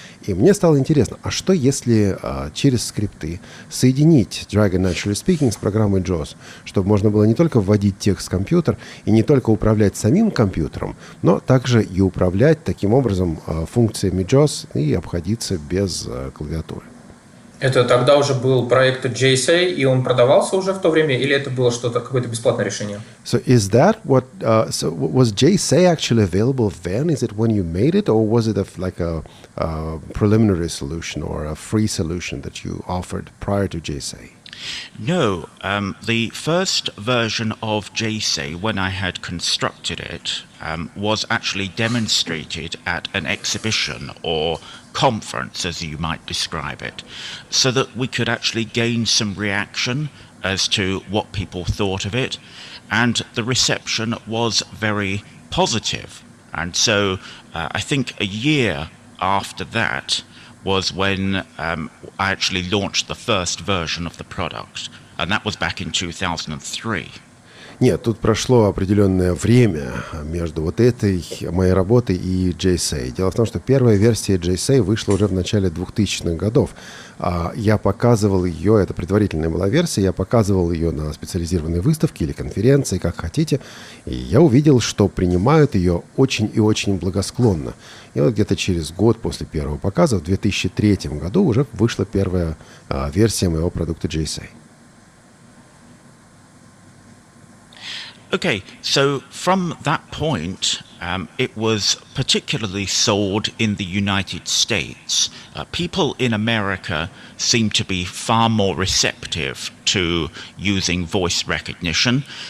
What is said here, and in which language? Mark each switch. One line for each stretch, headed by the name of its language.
Russian: И мне стало интересно, а что если через скрипты соединить Dragon Naturally Speaking с программой JAWS, чтобы можно было не только вводить текст в компьютер и не только управлять самим компьютером, но также и управлять таким образом функциями JAWS и обходиться без клавиатуры. Это тогда уже был проект JSA, и он продавался уже в то время, или это было что-то, какое-то бесплатное решение?
English: So is that what, so was JSA actually available then? Is it when you made it, or was it a preliminary solution or a free solution that you offered prior to JSA? No, the first version of JSA, when I had constructed it, was actually demonstrated at an exhibition or conference, as you might describe it, so that we could actually gain some reaction as to what people thought of it. And the reception was very positive. And so I think a year after that was when I actually launched the first version of the product. And that was back in 2003.
Russian: Нет, тут прошло определенное время между вот этой моей работой и JSA. Дело в том, что первая версия JSA вышла уже в начале 2000-х годов. Я показывал ее, это предварительная была версия, я показывал ее на специализированной выставке или конференции, как хотите, и я увидел, что принимают ее очень и очень благосклонно. И вот где-то через год после первого показа, в 2003 году, уже вышла первая версия моего продукта JSA.
English: Okay, so from that point, it was particularly sold in the United States. People in America seem to be far more receptive to using voice recognition.